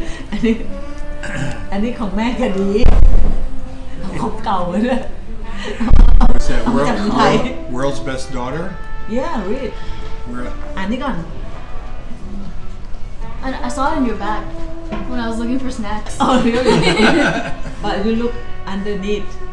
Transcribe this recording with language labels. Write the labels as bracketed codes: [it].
[th] อันนี้ของแม่กะดีครบเก่าเลย จากไทย [en] world's best daughter yeah read [th] อันนี้ก่อน [en] I saw it in your bag when I was looking for snacks oh really but you look underneath